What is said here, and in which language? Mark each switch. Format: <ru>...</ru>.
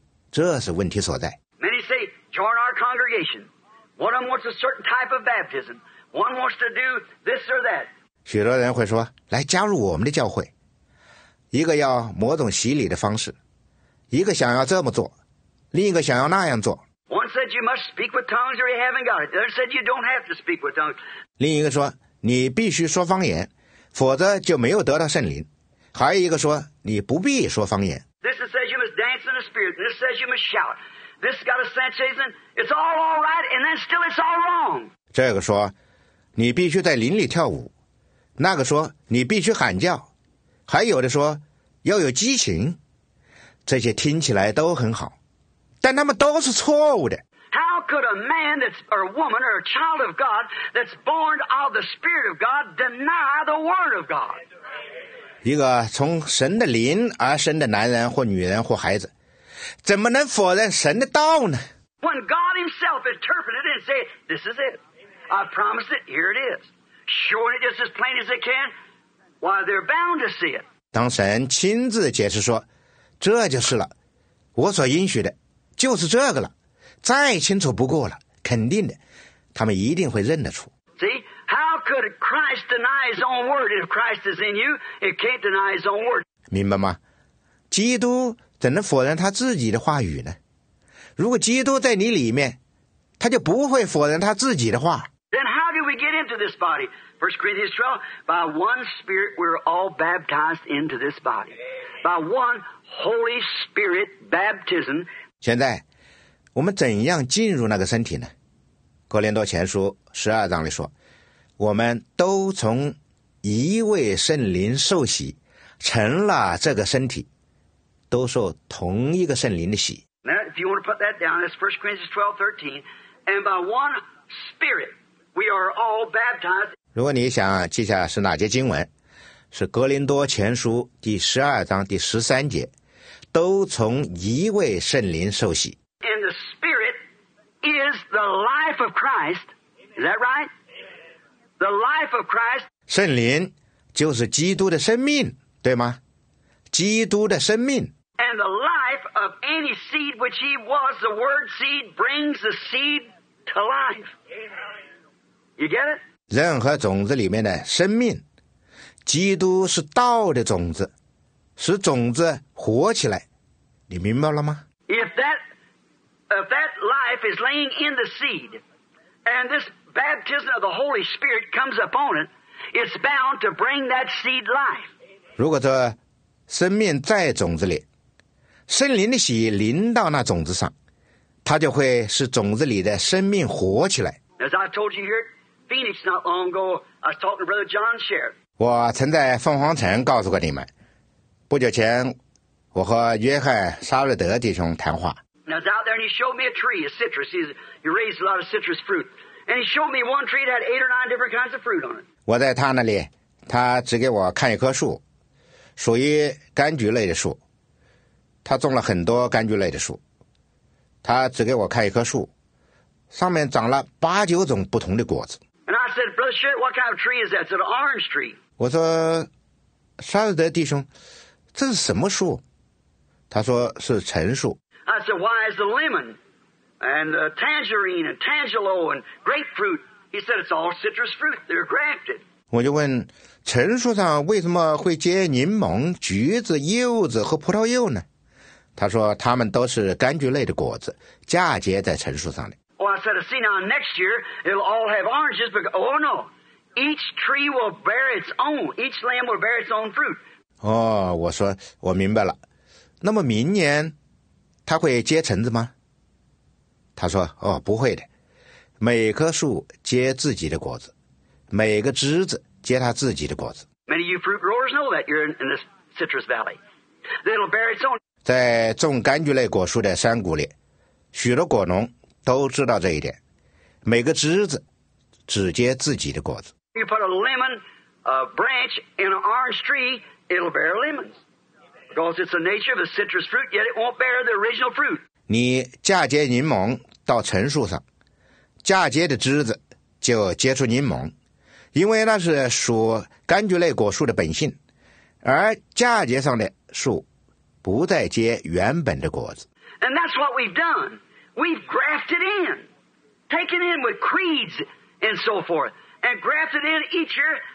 <zh>这是问题所在。</zh> <en>Many say join our congregation. One of them wants a certain type of baptism. One wants to do this or that.</en> <zh>许多人会说，来加入我们的教会。一个要某种洗礼的方式，一个想要这么做，另一个想要那样做。</zh> <en>One said you must speak with tongues or you haven't got it. The other said you don't have to speak with tongues.</en> <zh>另一个说你必须说方言，否则就没有得到圣灵。还有一个说你不必说方言。</zh> <en>This says you must dance in the spirit. This says you must shout. This got a sense, isn't it? It's all right, and then still it's all wrong.</en> <zh>这个说你必须在灵里跳舞，那个说你必须喊叫，还有的说要有激情，这些听起来都很好，但他们都是错误的。</zh> <en>How could a man that's or a woman or a child of God that's born of the Spirit of God deny the Word of God?</en> <zh>一个从神的灵而生的男人或女人或孩子，怎么能否认神的道呢</zh> <en>？When God Himself interpreted it and said, "This is it. I promised it. Here it is." Showing it just as plain as it can, why they're bound to see it.</en> <zh>当神亲自解释说，这就是了，我所应许的，就是这个了。再清楚不过了，肯定的，他们一定会认得出。</zh> <en>See, how could Christ deny His own word? If Christ is in you, it can't deny His own word.</en> <zh>明白吗？基督怎能否认他自己的话语呢？如果基督在你里面，他就不会否认他自己的话。</zh> <en>Then how do we get into this body? 1 Corinthians 12, by one spirit we're all baptized into this body. By one Holy Spirit baptism.</en> <zh>现在我们怎样进入那个身体呢？哥林多前书十二章里说，我们都从一位圣灵受洗，成了这个身体，都受同一个圣灵的洗。</zh> <en>Now, if you want to put that down, that's 1 Corinthians 12:13, and by one Spirit we are all baptized.</en> <zh>如果你想记下是哪节经文，是哥林多前书第十二章第十三节，都从一位圣灵受洗。</zh> <en>And the Spirit is the life of Christ. Is that right? The life of Christ.</en> <zh>圣灵就是基督的生命，对吗？基督的生命。</zh> <en>And the life of any seed which he was, the word seed, brings the seed to life. You get it?</en> <zh>任何种子里面的生命，基督是道的种子，使种子活起来。你明白了吗？</zh> <en>If that life is laying in the seed, and this baptism of the Holy Spirit comes upon it, it's bound to bring that seed life.</en> <zh>如果这生命在种子里，圣灵的洗淋到那种子上，它就会使种子里的生命活起来。</zh> <en>As I told you here, Phoenix not long ago, I was talking to Brother John Sherr.</en> <zh>我曾在凤凰城告诉过你们，不久前我和约翰沙瑞德弟兄谈话。</zh> <en>Now, I was out there and he showed me a tree, a citrus. He raised a lot of citrus fruit. And he showed me one tree that had 8 or 9 different kinds of fruit on it.</en> <zh>我在他那里，他只给我看一棵树，属于柑橘类的树。他种了很多柑橘类的树。他只给我看一棵树，上面长了8-9种不同的果子。</zh> <en>And I said, Brother Sherr, what kind of tree is that? It's an orange tree.</en> <zh>我说，沙尔德弟兄，这是什么树？他说是橙树。</zh> <en>I said, why is the lemon and the tangerine and tangelo and grapefruit? He said, it's all citrus fruit. They're grafted.</en> <zh>我就问，橙树上为什么会结柠檬、橘子、柚子和葡萄柚呢？他说，他们都是柑橘类的果子，嫁接在橙树上的。</zh> <en>Oh, I said, see now, next year it'll all have oranges. But oh no, each tree will bear its own. Each lamb will bear its own fruit.</en> <zh>哦，我说我明白了。那么明年他会结橙子吗？他说，哦，不会的，每棵树结自己的果子，每个枝子结他自己的果子。</zh> <en>Many of you fruit growers know that you're in this citrus valley. It'll bear its own.</en> <zh>在种柑橘类果树的山谷里，许多果农都知道这一点，每个枝子只结自己的果子。</zh> <en>You put a lemon, a branch in an orange tree, it'll bear lemons. Because it's the nature of a citrus fruit, yet it won't bear the original fruit.</en> <zh>你嫁接柠檬到橙树上，嫁接的枝子就结出柠檬，因为那是属柑橘类果树的本性，而嫁接上的树不再结原本的果子。</zh> <en>And that's what we've done. We've grafted in, taken in with creeds and so forth, and grafted in each year.</en>